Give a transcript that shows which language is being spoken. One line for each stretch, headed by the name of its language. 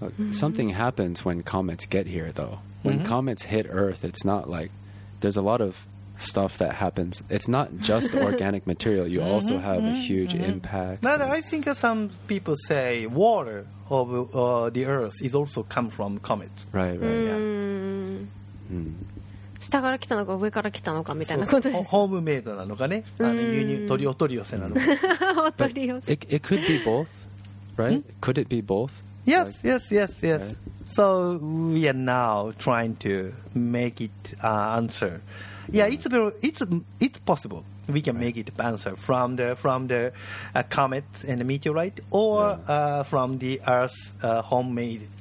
English: Something happens when comets get here, though. When comets hit Earth, it's not like... There's a lot of stuff that happens. It's not just organic material. You also have a huge impact. But I think some people say water of the Earth is also come from comets. Right.
Japanese: 下から来たのか上から来たのかみたいなことです。ホームメイドなのかね。お取り寄せなのか。
English: It could be both, right? Could it be both? Yes, like, yes, yes, yes, yes. Right? So we are now trying to make it answer. Yeah, it's possible. We can make it answer from the comet and the meteorite, or from the Earth's homemade.